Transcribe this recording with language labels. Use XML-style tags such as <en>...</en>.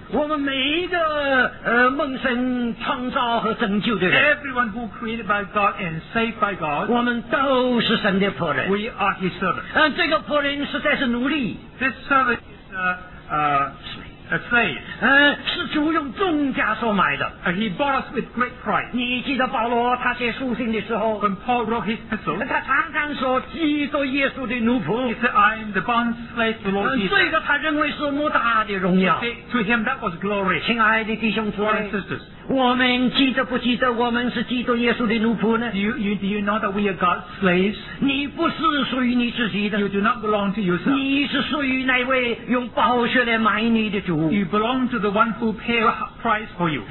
<zh>我们每一个蒙神创造和拯救的人</zh> <en>，Everyone who created by God and saved by God，</en> <zh>我们都是神的仆人。</zh> <en>We are His servant.</en> <zh>这个仆人实在是奴隶。</zh> <en>This servant is a slave.</en> <zh>是主用重价所买的。</zh> <en>He bought us with great price.</en> <zh>你记得保罗他写书信的时候</zh> <en>，When Paul wrote his epistle，</en> <zh>他常常说基督耶稣的奴仆。</zh> <en>He said, "I am the bond slave to Lord Jesus."</en> <zh>这个他认为是莫大的荣耀。</zh> <en>To him, that was glory.</en> <zh>亲爱的弟兄姊妹</zh> <en>，Brothers and sisters，</en> <zh>我们记得不记得我们是基督耶稣的奴仆呢</zh> <en>？Do you know that we are God's slaves？</en> <zh>你不是属于你自己的。</zh> <en>You do not belong to yourself.</en> <zh>你是属于那位用宝血来买你的主。</zh> <en>You belong to the one who paid price for you.</en>